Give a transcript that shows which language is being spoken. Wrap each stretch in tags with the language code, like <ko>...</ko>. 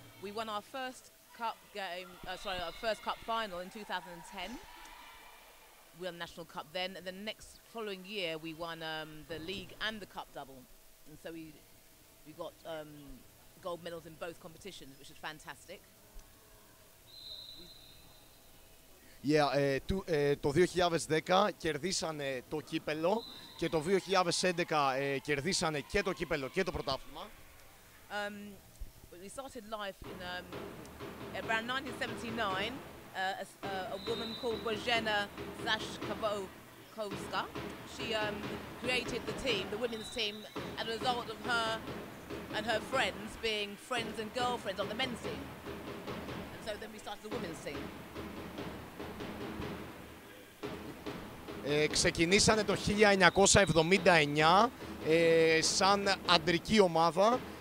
<en>We won our first cup game, our first cup final in 2010. We won the National Cup then, and the next following year we won the league and the cup double, and so we got gold medals in both competitions, which is fantastic. Yeah,</en> <el>το 2010 κερδίσανε το κύπελλο και το 2011 κερδίσανε και το κύπελλο και το πρωτάθλημα.</el> <en>We started life in around 1979. A woman called Bozena Zashkovska. She created the team, the women's team, as a result of her and her friends being friends and girlfriends on the men's team. And so then we started the women's team.</en> <el>Ξεκινήσανε το 1979 σαν αντρική ομάδα.</el>